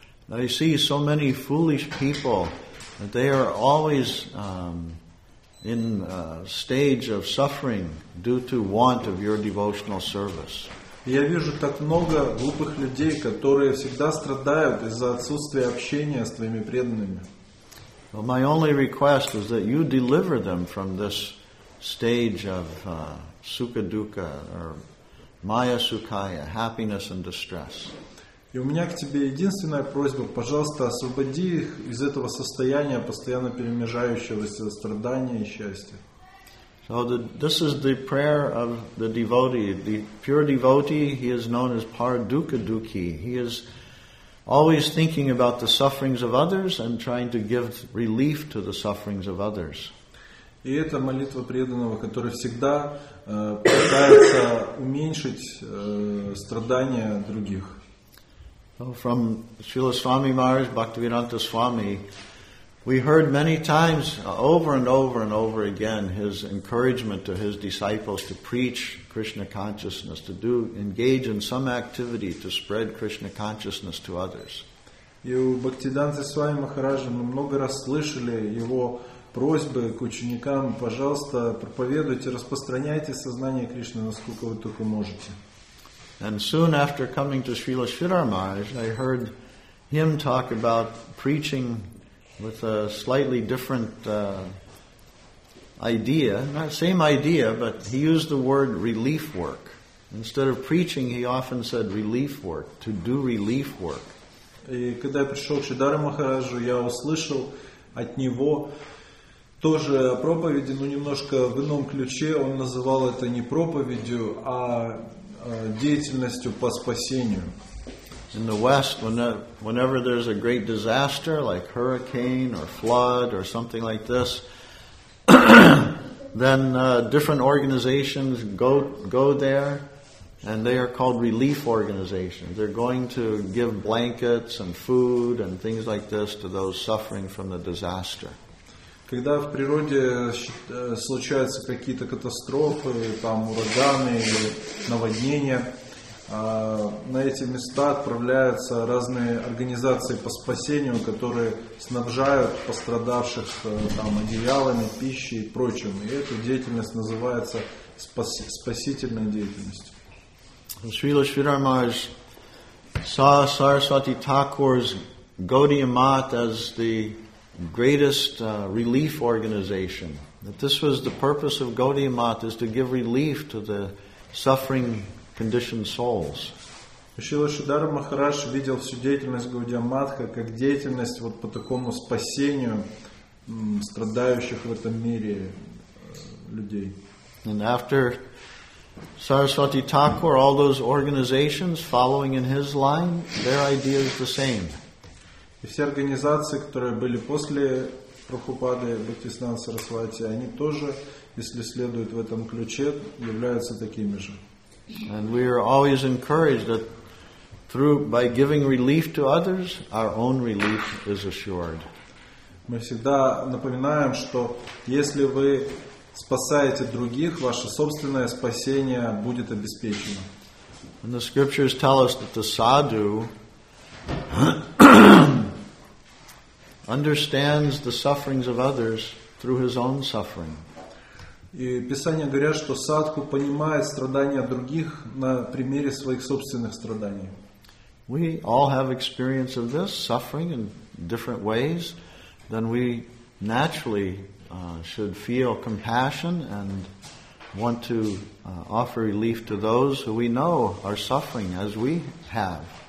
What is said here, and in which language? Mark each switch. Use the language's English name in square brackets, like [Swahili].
[English] I see so many foolish people that they are always in a stage of suffering due to want of your devotional service. [Russian] Я вижу так много глупых людей, которые всегда страдают из-за отсутствия общения с твоими преданными. [English] But my only request is that you deliver them from this stage of sukha-dukha or maya-sukhaya, happiness and distress. [Russian] И у меня к тебе единственная просьба, пожалуйста, освободи их из этого состояния постоянно перемежающегося страдания и счастья. [English] So this is the prayer of the devotee. The pure devotee, he is known as Paradukaduki. He is always thinking about the sufferings of others and trying to give relief to the sufferings of others. [Russian] И это молитва преданного, который всегда пытается уменьшить страдания других. [English] So from Srila Swami Maharaj, Bhaktivedanta Swami, we heard many times, over and over and over again, his encouragement to his disciples to preach Krishna consciousness, to engage in some activity to spread Krishna consciousness to others. [Russian] И у Бхактивиданты Свами Махараджа мы много раз слышали его просьбы к ученикам, пожалуйста, проповедуйте, распространяйте сознание Кришны, насколько вы только можете. [English] And soon after coming to Srila Sridhar Maharaj, I heard him talk about preaching with a slightly different idea. Not same idea, but he used the word relief work. Instead of preaching, he often said relief work, to do relief work. [Russian] И когда я пришел к Шридхару Махараджу, я услышал от него тоже проповеди, но немножко в ином ключе. Он называл это не проповедью, а деятельностью по спасению. [English] In the West, whenever there's a great disaster, like hurricane or flood or something like this, then different organizations go there, and they are called relief organizations. They're going to give blankets and food and things like this to those suffering from the disaster. [Russian] Когда в природе случаются какие-то катастрофы, там ураганы или наводнения, На эти места отправляются разные организации по спасению, которые снабжают пострадавших там одеялами, пищей и прочим. И эта деятельность называется спасительной деятельностью. [English] Шрила Шридхар Махарадж saw Сарасвати Thakur's Gaudiya Math as the greatest relief organization. That this was the purpose of Gaudiya Math, is to give relief to the suffering conditioned souls. [Russian] Шрила Шридхара Махарадж видел всю деятельность Gaudiya Math как деятельность вот по такому спасению страдающих в этом мире людей. [English] And after Сарасвати Thakur, all those organizations following in his line, their idea is the same. [Russian] И все организации, которые были после Прабхупады, Бхактисиддханты Сарасвати, они тоже, если следуют в этом ключе, являются такими же. [English] And we are always encouraged that through by giving relief to others, our own relief is assured. [Russian] Мы всегда напоминаем, что если вы спасаете других, ваше собственное спасение будет обеспечено. [English] And the scriptures tell us that the sadhu understands the sufferings of others through his own suffering. [Russian] И Писания говорят, что садху понимает страдания других на примере своих собственных страданий. [English] We all have experience of this suffering in different ways than we naturally should feel compassion and want to offer relief to those who we know are suffering as we have.